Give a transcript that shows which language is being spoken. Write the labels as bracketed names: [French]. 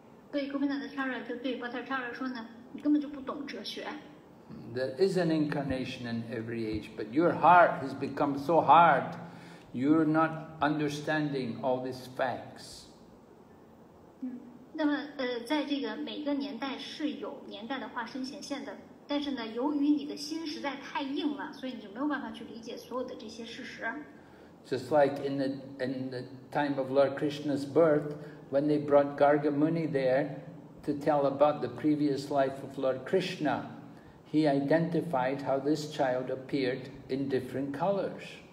[Chinese] 对 Gopinath Acharya 就对 Bhattacharya 说呢，你根本就不懂哲学。 [English] There is an incarnation in every age, but your heart has become so hard, you're not understanding all these facts. [Chinese] 那么在这个每个年代是有年代的化身显现的，但是呢由于你的心实在太硬了，所以你就没有办法去理解所有的这些事实。 [English] Just like in the time of Lord Krishna's birth, when they brought Gargamuni there to tell about the previous life of Lord Krishna, he identified how this child appeared in different colors.